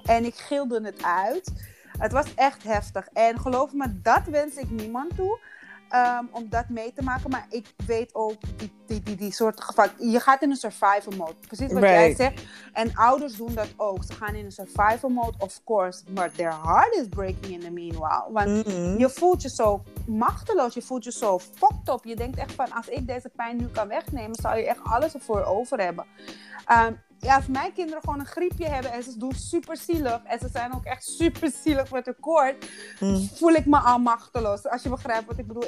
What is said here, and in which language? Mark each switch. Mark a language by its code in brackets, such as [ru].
[nl] En ik gilde het uit. Het was echt heftig. En geloof me, dat wens ik niemand toe. Om dat mee te maken. Maar ik weet ook die soort geval. Je gaat in een survival mode. Precies wat jij zegt. En ouders doen dat ook. Ze gaan in een survival mode, [en] of course. But their heart is breaking in the meanwhile. [nl] Want je voelt je zo machteloos. Je voelt je zo fucked up. Je denkt echt van, als ik deze pijn nu kan wegnemen, zou je echt alles ervoor over hebben. Als mijn kinderen gewoon een griepje hebben en ze doen super zielig en ze zijn ook echt super zielig met de koord, voel ik me al machteloos. Als je begrijpt wat ik bedoel.